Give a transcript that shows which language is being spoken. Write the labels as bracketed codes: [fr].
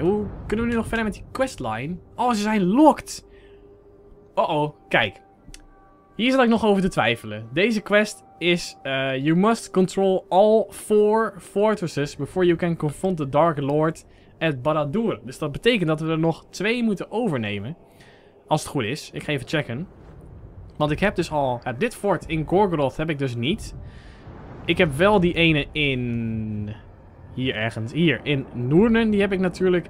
[nl] Hoe kunnen we nu nog verder met die questline? Oh, ze zijn locked. Uh-oh, kijk. Hier zat ik nog over te twijfelen. Deze quest is... [en] you must control all four fortresses before you can confront the Dark Lord... [nl] Het Barad-dûr. Dus dat betekent dat we er nog twee moeten overnemen. Als het goed is. Ik ga even checken. Want ik heb dus al... Ja, dit fort in Gorgoroth heb ik dus niet. Ik heb wel die ene in... Hier ergens. Hier in Noornen. Die heb ik natuurlijk.